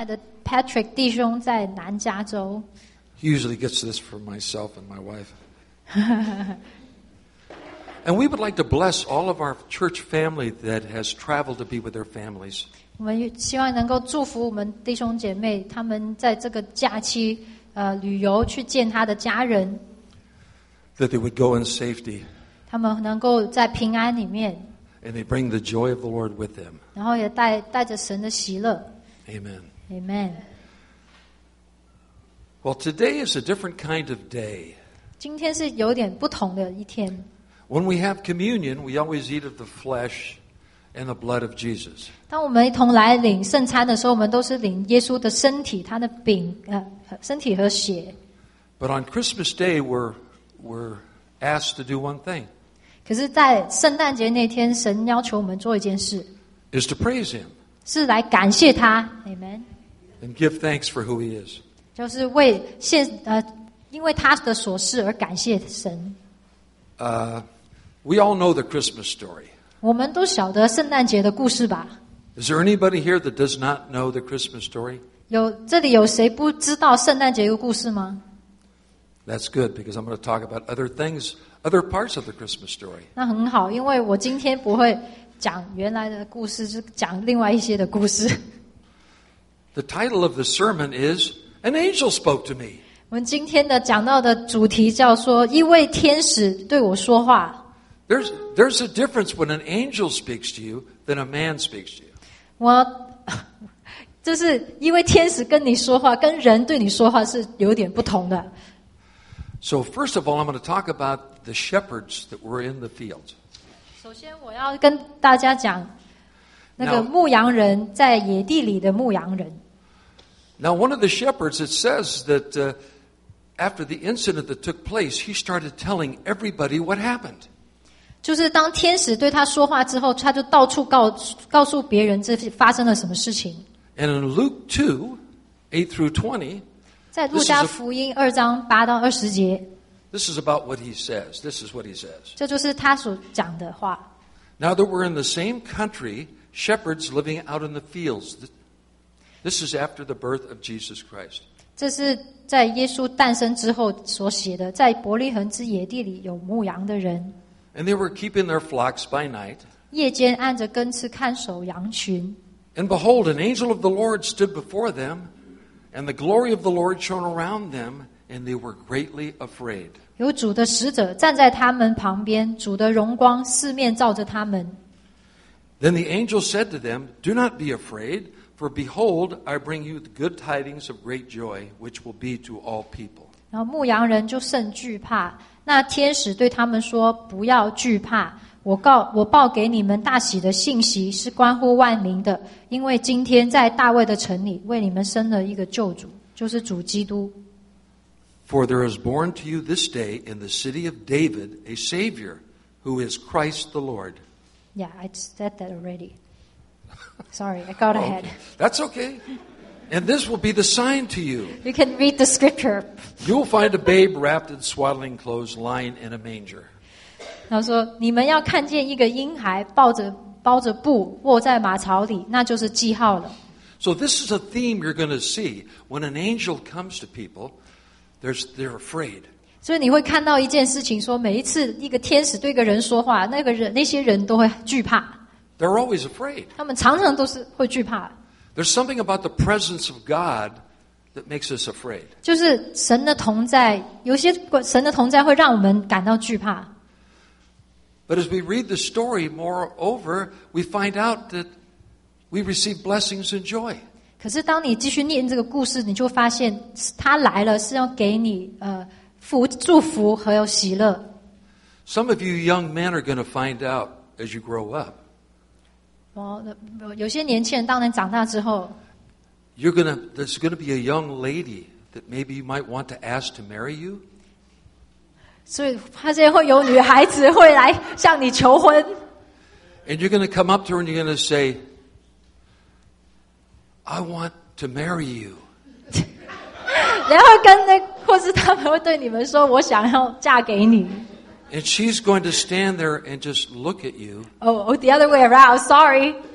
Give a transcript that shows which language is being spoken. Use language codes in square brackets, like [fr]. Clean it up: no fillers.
[zh] And Patrick 弟兄在南加州。 [en] He usually gets this for myself and my wife. And we would like to bless all of our church family that has traveled to be with their families. [zh] 我们希望能够祝福我们弟兄姐妹，他们在这个假期旅游去见他的家人。 [en] That they would go in safety. [zh] 他们能够在平安里面。 [en] And they bring the joy of the Lord with them. [zh] 然后也带着神的喜乐。 [en] Amen. Amen. Well, today is a different kind of day. [zh] 今天是有点不同的一天。 [en] When we have communion, we always eat of the flesh and the blood of Jesus. [zh] 当我们一同来领圣餐的时候，我们都是领耶稣的身体，他的饼，身体和血。 [en] But on Christmas Day, we're asked to do one thing. [zh] 可是在圣诞节那天，神要求我们做一件事。 [en] Is to praise him. [zh] 是来感谢他 ，Amen. [en] And give thanks for who he is. [zh] 就是为现因为他的所事而感谢神。 [en] We all know the Christmas story. [zh] 我们都晓得圣诞节的故事吧。 [en] Is there anybody here that does not know the Christmas story? [zh] 有这里有谁不知道圣诞节的故事吗 [en] ？That's good because I'm going to talk about other things, other parts of the Christmas story. [zh] 那很好，因为我今天不会讲原来的故事，是讲另外一些的故事。 [en] The title of the sermon is "An Angel Spoke to Me." [zh] 我们今天的讲到的主题叫说一位天使对我说话。 [en] There's a difference when an angel speaks to you than a man speaks to you. [zh] 我就是因为天使跟你说话，跟人对你说话是有点不同的。 [en] So first of all, I'm going to talk about the shepherds that were in the field. [zh] 首先，我要跟大家讲那个牧羊人在野地里的牧羊人。 [en] Now, one of the shepherds, it says that after the incident that took place, he started telling everybody what happened. [zh] 就是当天使对他说话之后，他就到处告诉别人这发生了什么事情。 [en] And in Luke 2:8-20, [zh] 在路加福音二章八到二十节 [en] ，This is about what he says. This is what he says. [zh] 这就是他所讲的话。 [en] Now that we're in the same country, shepherds living out in the fields. This is after the birth of Jesus Christ. [zh] 这是在耶稣诞生之后所写的，在伯利恒之野地里有牧羊的人。 [en] And they were keeping their flocks by night. [zh] 夜间按着根刺看守羊群。 [en] And behold, an angel of the Lord stood before them, and the glory of the Lord shone around them, and they were greatly afraid. [zh] 有主的使者站在他们旁边，主的荣光四面照着他们。 [en] Then the angel said to them, "Do not be afraid, for behold, I bring you the good tidings of great joy, which will be to all people." [zh] 然后牧羊人就甚惧怕。那天使对他们说：“不要惧怕，我报给你们大喜的信息是关乎万民的，因为今天在大卫的城里为你们生了一个救主，就是主基督。” [en] For there is born to you this day in the city of David a Savior, who is Christ the Lord. Yeah, I said that already. Sorry, I got ahead. Okay. That's okay. And this will be the sign to you. You can read the scripture. You will find a babe wrapped in swaddling clothes lying in a manger. [zh] 他说你们要看见一个婴孩包着布卧在马槽里，那就是记号了。 [en] So this is a theme you're going to see. When an angel comes to people, they're afraid. [zh] 所以你会看到一件事情，说每一次一个天使对一个人说话，那些人都会惧怕。 [en] They're always afraid. [zh] 他们常常都是会惧怕。 [en] There's something about the presence of God that makes us afraid. [zh] 就是神的同在，有些神的同在会让我们感到惧怕。 [en] But as we read the story, moreover, we find out that we receive blessings and joy. [zh] 可是当你继续念这个故事，你就发现他来了是要给你祝福和有喜乐。 [en] Some of you young men are going to find out as you grow up. [zh] 有些年轻人当你长大之后 [en] there's going to be a young lady that maybe you might want to ask to marry you. [zh] 所以发现会有女孩子会来向你求婚。 [en] And you're going to come up to her and you're going to say, "I want to marry you." [zh] 然后跟那或是他们会对你们说我想要嫁给你。 [en] And she's going to stand there and just look at you. Oh, the other way around. Sorry.